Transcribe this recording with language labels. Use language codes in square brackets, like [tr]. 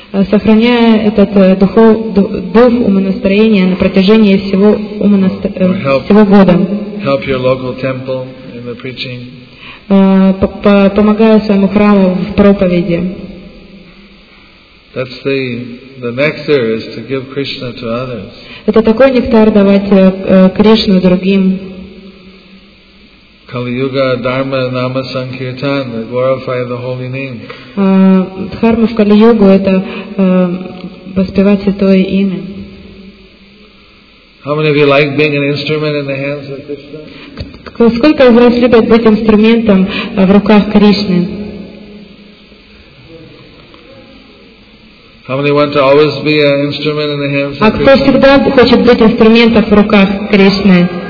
[ru] Сохраняя этот дух умонастроения на протяжении всего года. [en] Help your local temple in the preaching. [ru] Помогая своему храму в проповеди. [en] That's the nectar is to give Krishna to others. [ru] Это такой нектар давать Кришну другим. [sa] Kali-yuga dharma nama sankirtan, [en] glorify the holy name. [ru] Дхарма в Кали-югу это воспевать святое имя. [en] How many of you like being an instrument in the hands of Krishna? [ru] Сколько из вас любят быть инструментом в руках Кришны? [en] How many want to always be an instrument in the hands of Krishna? [ru] А кто всегда хочет быть инструментом в руках Кришны?